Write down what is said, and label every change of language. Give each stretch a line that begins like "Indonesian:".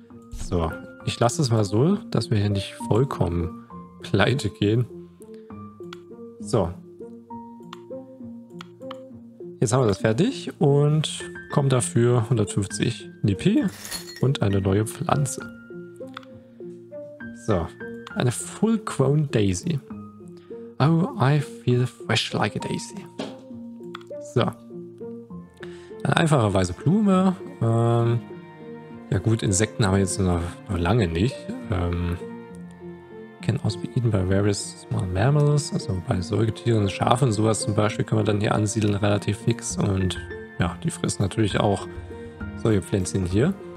German: So, ich lasse es mal so, dass wir hier nicht vollkommen pleite gehen. So. Jetzt haben wir das fertig und kommen dafür 150 Nipi und eine neue Pflanze. So, eine Full-Grown Daisy.
English: Oh, I feel fresh like a Daisy.
German: So, eine einfache weiße Blume. Ja gut, Insekten haben wir jetzt noch lange nicht.
English: Can also be eaten by various small mammals,
German: also bei Säugetieren, Schafen und sowas zum Beispiel können wir dann hier ansiedeln relativ fix und ja, die fressen natürlich auch solche Pflänzchen hier.